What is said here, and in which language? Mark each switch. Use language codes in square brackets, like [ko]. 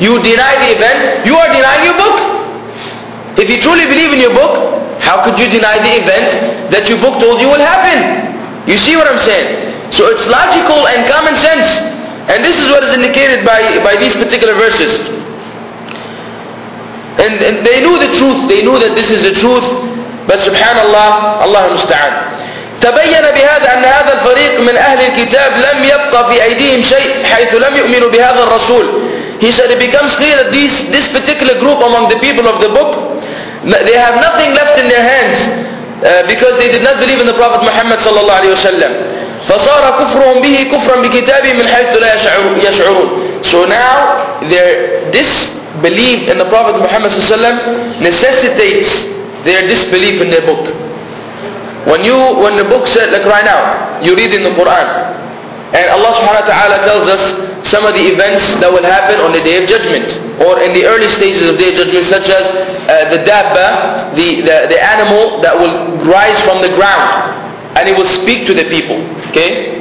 [en] You deny the event. You are denying your book. If you truly believe in your book, how could you deny the event that your book told you will happen? You see what I'm saying? So it's logical and common sense. And this is what is indicated by these particular verses. And they knew the truth. They knew that this is the truth. But subhanallah, Allah musta'an. [ar] تبين بهذا أن هذا الفريق من أهل الكتاب لم يبقى في أيديهم شيء حيث لم يؤمنوا بهذا الرسول. [en] He said it becomes clear that this particular group among the people of the book, they have nothing left in their hands because they did not believe in the Prophet Muhammad sallallahu alaihi wasallam. [ar] فصار كفرهم به كفرا بكتابه من حيث لا يشعرون. [en] So now their disbelief in the Prophet Muhammad sallallahu alaihi wasallam necessitates their disbelief in their book. When the book said, like right now, you read in the Quran, and Allah subhanahu wa ta'ala tells us some of the events that will happen on the Day of Judgment, or in the early stages of Day of Judgment, such as the dabba, the animal that will rise from the ground, and it will speak to the people, okay?